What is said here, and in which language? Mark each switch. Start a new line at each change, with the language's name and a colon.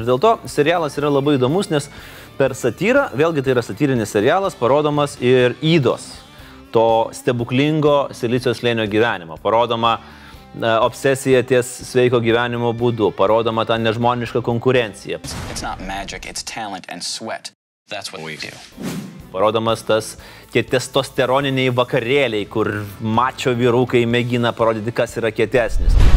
Lithuanian: Ir dėl to serialas yra labai įdomus, nes per satyrą, vėlgi tai yra satyrinis serialas, parodomas ir ydos to stebuklingo Silicio slėnio gyvenimo. Parodoma obsesija ties sveiko gyvenimo būdu, parodoma ta nežmoniška konkurencija.
English: It's not magic, it's talent and sweat. That's what we do.
Lithuanian: Parodomas tas tie testosteroniniai vakarėliai, kur mačio vyrukai mėgina parodyti, kas yra kietesnis.